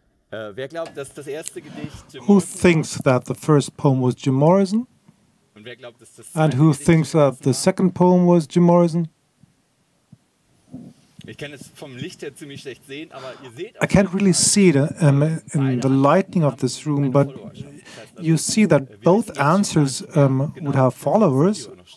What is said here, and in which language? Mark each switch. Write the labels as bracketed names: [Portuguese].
[German] Wer glaubt, dass das erste Gedicht Jim Morrison? [English] Who thinks that the first poem was Jim Morrison? [German] Und wer glaubt, dass das zweite Gedicht Jim Morrison war? [English] And who thinks that the second poem was Jim Morrison? [German] Ich kann es vom Licht her ziemlich schlecht sehen, aber ihr seht, [English] I can't really see it in the lightning of this room, but you see that both answers would have followers.